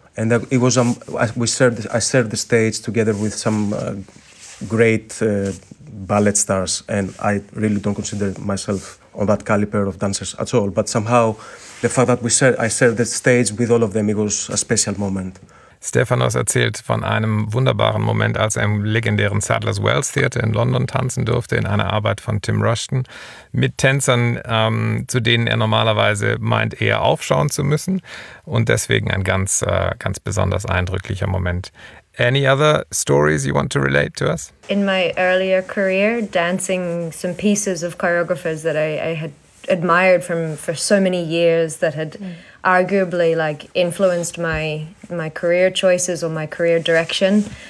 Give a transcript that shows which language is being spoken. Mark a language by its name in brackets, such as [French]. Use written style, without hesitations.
[English] And it was, I served the stage together with some great ballet stars. And I really don't consider myself on that caliber of dancers at all. But somehow, the fact that I served the stage with all of them, it was a special moment. [German] Stefanos erzählt von einem wunderbaren Moment, als er im legendären Sadler's Wells Theater in London tanzen durfte, in einer Arbeit von Tim Rushton, mit Tänzern, zu denen er normalerweise meint, eher aufschauen zu müssen. Und deswegen ein ganz, ganz besonders eindrücklicher Moment. [English] Any other stories you want to relate to us? In my earlier career, dancing some pieces of choreographers that I had admired for so many years that had arguably like influenced my career choices or my career direction.